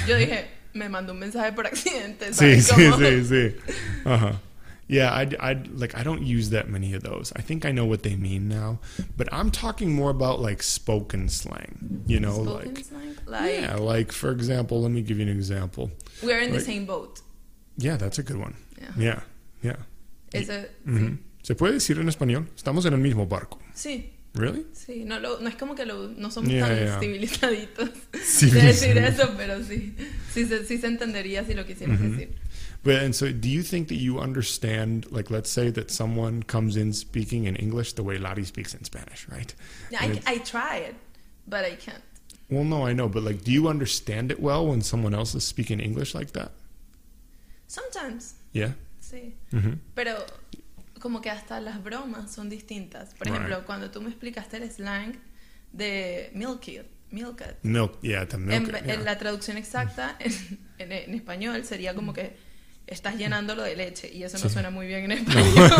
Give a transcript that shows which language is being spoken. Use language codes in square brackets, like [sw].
[es] Yo dije, me mandó un mensaje por accidente. ¿Sabes? Sí. [en] Yeah, I don't use that many of those. I think I know what they mean now, but I'm talking more about like spoken slang, you know, spoken like slang? Yeah, like for example, let me give you an example. We're in like, the same boat. Yeah, that's a good one. Yeah. Is it? [es] Mm-hmm. Sí. ¿Se puede decir en español? Estamos en el mismo barco. Sí. [en] Really? [es] Sí. No es como que no somos tan civilizaditos. Sí. Decir eso, pero sí. Sí se entendería si lo quisieras decir. [en] But, and so do you think that you understand, like, let's say that someone comes in speaking in English the way Lottie speaks in Spanish, right? I try it, but I can't. Well, no, I know. But, like, do you understand it well when someone else is speaking English like that? Sometimes. Yeah? [es] Sí. Mm-hmm. Pero como que hasta las bromas son distintas. Por ejemplo, right. Cuando tú me explicaste el slang de [en] milk it. [es] La traducción exacta en español sería como que... Estás llenándolo de leche. Y eso no suena muy bien en español.